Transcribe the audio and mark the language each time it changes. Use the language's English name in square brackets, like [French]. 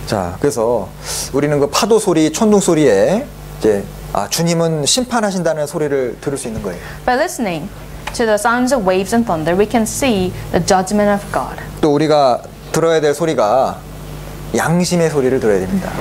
[Korean] 자, 그래서 우리는 그 파도 소리 천둥 소리에 이제 아 주님은 심판하신다는 소리를 들을 수 있는 거예요. [English] By listening to the sounds of waves and thunder, we can see the judgment of God. [Korean] 또 우리가 들어야 될 소리가 양심의 소리를 들어야 됩니다.